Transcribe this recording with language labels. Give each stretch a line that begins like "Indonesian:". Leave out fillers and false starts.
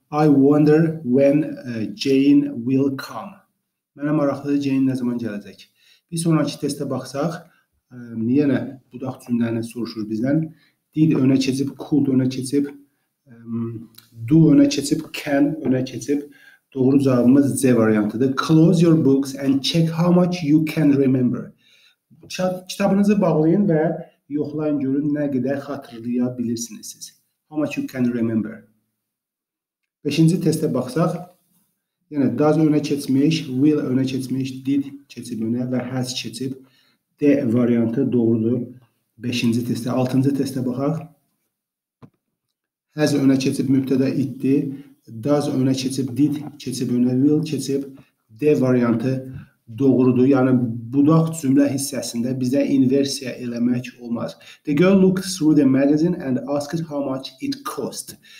English: I wonder when Jane will come.
Azerbaijani: Mənə maraqlıdır Jane nə zaman gələcək. Bir sonraki testə baxsaq, yenə budaq cümlələrini soruşur bizdən. Did önə keçib, could önə keçib, do önə keçib, can önə keçib. Doğru cavabımız C variantıdır.
English: Close your books and check how much you can remember.
Azerbaijani: Kitabınızı bağlayın və yoxlayın görün nə qədər xatırlaya bilirsiniz siz.
English: How much you can remember.
Azerbaijani: Beşinci testə baxsaq, yəni does önə keçmiş, will önə keçmiş, did keçib önə və has keçib. D variantı doğrudur. Beşinci testə. Altıncı testə baxaq. Has önə keçib, mübtədə itdi. Does önə keçib, did keçib önə, will keçib. D variantı doğrudur. Yəni budaq cümlə hissəsində bizə inversiya eləmək olmaz.
English: The girl looked through the magazine and asked how much it cost.